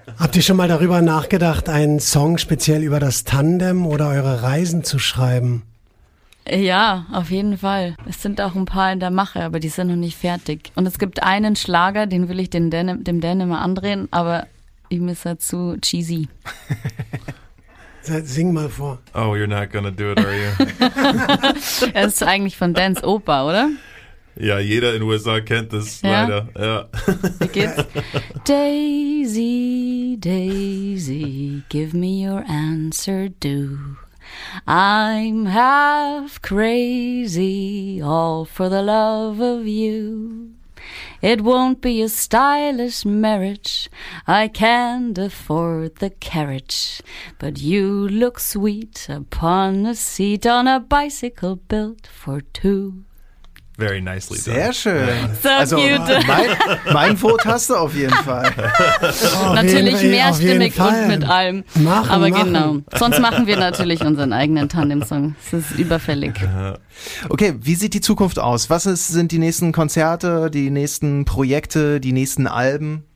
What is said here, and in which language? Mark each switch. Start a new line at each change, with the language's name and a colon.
German: Habt ihr schon mal darüber nachgedacht, einen Song speziell über das Tandem oder eure Reisen zu schreiben? Ja, auf jeden Fall. Es sind auch ein paar in der Mache, aber die sind noch nicht fertig. Und es gibt einen Schlager, den will ich dem Dan immer andrehen, aber ihm ist er zu cheesy. Sing mal vor.
English: Oh, you're not gonna do it, are you?
German: Er ist eigentlich von Dans Opa, oder? Ja, jeder in den USA kennt das leider. Ja. Wie geht's?
English: Daisy, Daisy, give me your answer, do. I'm half crazy, all for the love of you. It won't be a stylish marriage, I can't afford the carriage, but you look sweet upon a seat on a bicycle built for two. Very nicely done.
German: Sehr schön. So also
English: cute.
German: Mein Vote hast du auf jeden Fall. Oh, natürlich mehrstimmig und mit allem. Genau. Sonst machen wir natürlich unseren eigenen Tandem-Song. Das ist überfällig. Okay, wie sieht die Zukunft aus? Was sind die nächsten Konzerte, die nächsten Projekte, die nächsten Alben?